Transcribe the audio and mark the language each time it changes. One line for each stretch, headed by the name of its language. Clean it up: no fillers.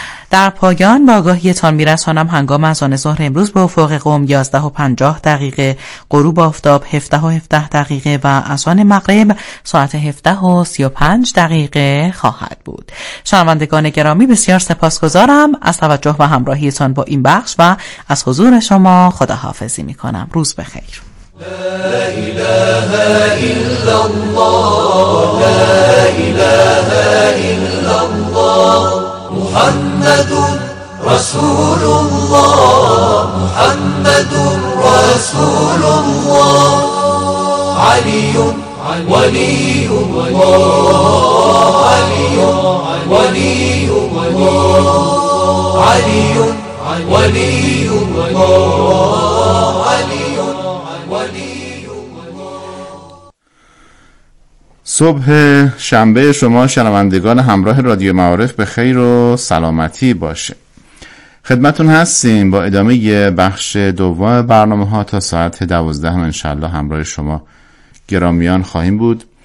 Persian: در پایان با آگاهیتان می رسانم هنگام اذان ظهر امروز به افق قم 11:50 دقیقه، غروب آفتاب 17:17 دقیقه و اذان مغرب ساعت 17:35 دقیقه خواهد بود. شنوندگان گرامی، بسیار سپاسگزارم از توجه و همراهیتان با این بخش و از حضور شما خداحافظی می کنم. روز بخیر.
Arabic: لا اله الا الله، لا اله الا الله، محمد رسول الله، محمد رسول الله، علي ولي الله، علي ولي الله، علي ولي الله، علي ولي.
Persian: صبح شنبه شما شنوندگان همراه رادیو معارف به خیر و سلامتی باشه. خدمتون هستیم با ادامه بخش دوم برنامه ها تا ساعت 12 ان شاء الله همراه شما گرامیان خواهیم بود.